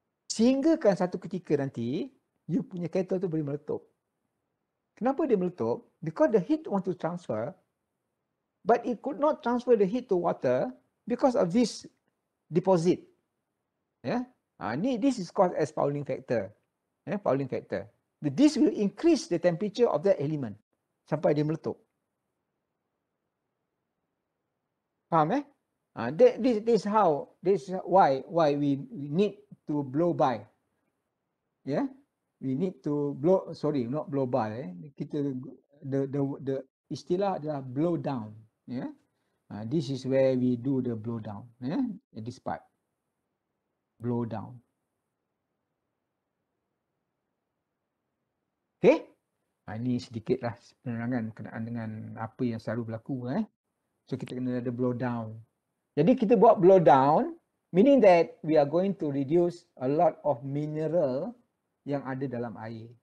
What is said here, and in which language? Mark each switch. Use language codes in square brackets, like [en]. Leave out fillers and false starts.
[ms] Sehinggakan satu ketika nanti, you punya kettle tu boleh meletup. Kenapa dia meletup? [en] Because the heat want to transfer, but it could not transfer the heat to water because of this deposit. Yeah? This is called as fouling factor. Yeah? Fouling factor. This will increase the temperature of that element [ms] sampai dia meletup. Faham eh? [en] This is why we need to blow by. Yeah? We need to blow, sorry, not blow by. Eh? [ms] Kita, the istilah adalah blow down. [en] Yeah? This is where we do the blow down. Yeah? At this part. Blow down. [ms] Okay? Ini sedikit lah penerangan kenaan dengan apa yang selalu berlaku. Eh? So kita kena ada blow down. Jadi kita buat blow down, [en] meaning that we are going to reduce a lot of mineral [ms] yang ada dalam air.